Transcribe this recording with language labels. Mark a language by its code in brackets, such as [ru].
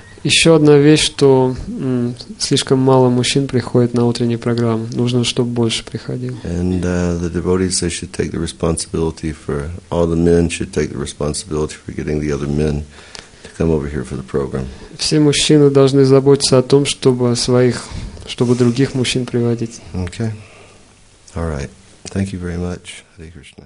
[ru] Еще одна вещь, что слишком мало мужчин приходит на утренние программы. Нужно, чтобы больше приходило. [en] And the devotees should take the responsibility for all the men should take the responsibility for getting the other men to come over here for the program. [ru] Все мужчины должны заботиться о том, чтобы своих, чтобы других мужчин приводить. [en] Okay. All right. Thank you very much. Hare Krishna.